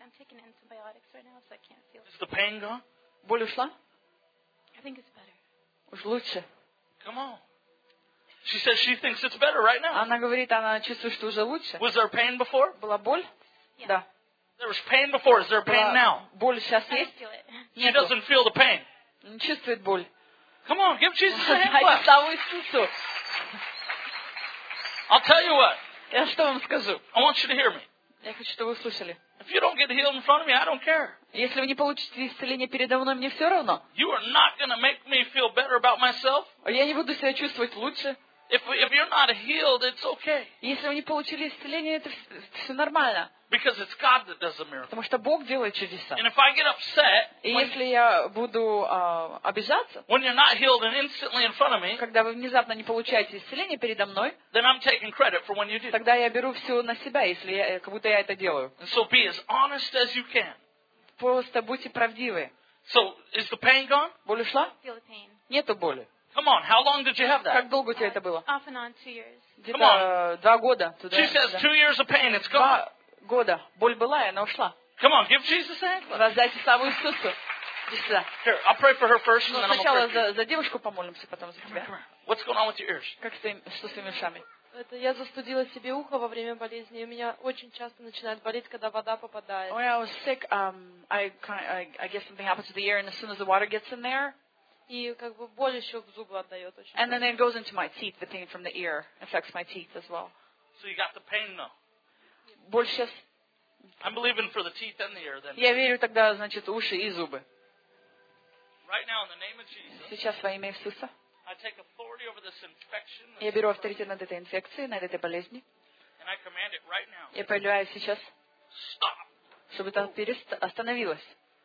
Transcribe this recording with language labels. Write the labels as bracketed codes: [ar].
[en] I'm taking antibiotics right now, so I can't feel it. Is the pain gone? [ru] Боль ушла? [en] I think it's better. [ru] Уж лучше. [en] Come on. She says she thinks it's better right now. [ru] Она говорит, она чувствует, что уже лучше. [en] Was there pain before? [ru] Была боль? [en] Yeah. [ru] Да. [en] There was pain before. Is there pain now? [ru] Боль сейчас есть? [en] I feel it. She doesn't feel the pain. [ru] Не чувствует боль. [en] Come on, give Jesus a hand clap. I'll tell you what. [ru] Я что вам скажу? [en] I want you to hear me. [ru] Я хочу, чтобы вы услышали. [en] If you don't get healed in front of me, I don't care. [ru] Если вы не получите исцеление передо мной, мне все равно. [en] You are not going to make me feel better about myself. [ru] Я не буду себя чувствовать лучше. [en] If you're not healed, it's okay. [ru] Если вы не получили исцеление, это все нормально. [en] Because it's God that does the miracle. [ru] Потому что Бог делает чудеса. [en] And if I get upset, [ru] если я буду обижаться, [en] when you're not healed and instantly in front of me, [ru] когда вы внезапно не получаете исцеление передо мной, [en] then I'm taking credit for when you did. [ru] Тогда я беру все на себя, если я, как будто я это делаю. [en] And so be as honest as you can. [ru] Просто будьте правдивы. [en] So is the pain gone? [ru] Боль ушла? [en] Feel the pain. [ru] Нету боли. [en] Come on, how long did you have that? [ru] Как долго у тебя это было? [en] Off and on, 2 years. [ru] Где-то два года. Туда, [en] she says, 2 years of pain, it's gone. [ru] Два года. Боль была, и она ушла. [en] Come on, give Jesus a hand. [ru] Раздайте славу Иисусу. Иди сюда. [en] Here, I'll pray for her first, and then I'll pray for you. [ru] Сначала за девушку помолимся, потом за тебя. [en] Come on. What's going on with your ears? [ru] Как с твоим, что с твоими ушами? Это я застудила себе ухо во время болезни, и у меня очень часто начинает болеть, когда вода попадает. [en] When I was sick, I guess something happened to the ear, and as soon as the water gets in there, [ru] и как бы боль еще в зубы отдает очень. [en] And then it goes into my teeth, the pain from the ear affects my teeth as well. So you got the pain now. [ru] Боль сейчас. [en] I'm believing for the teeth and the ear then. [ru] Я верю тогда, значит, уши и зубы. [en] Right now, in the name of Jesus. [ru] Сейчас во имя Иисуса. [en] I take authority over this infection. [ru] Я беру авторитет над этой инфекцией, над этой болезнью. [en] And I command it right now. [ru] Я повелеваю сейчас. [en] Stop. [ru] Чтобы там остановилось.